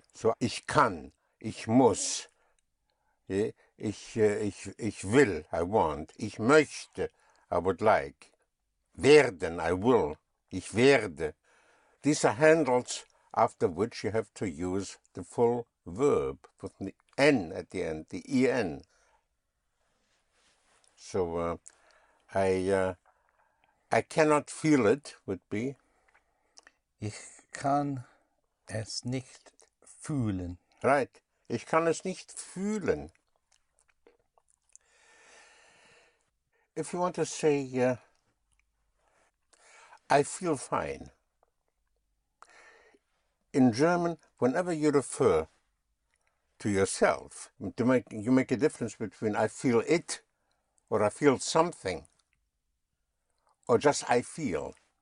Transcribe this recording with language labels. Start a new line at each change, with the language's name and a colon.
German: So ich kann, ich muss, ich will,
English: I want,
German: ich möchte,
English: I would like,
German: werden,
English: I will,
German: ich werde.
English: These are handles after which you have to use the full verb with the N at the end, the E-N. So I cannot feel it would be.
German: Ich kann es nicht fühlen.
English: Right.
German: Ich kann es nicht fühlen.
English: If you want to say, I feel fine. In German, whenever you refer to yourself, you make a difference between I feel it or I feel something or just I feel.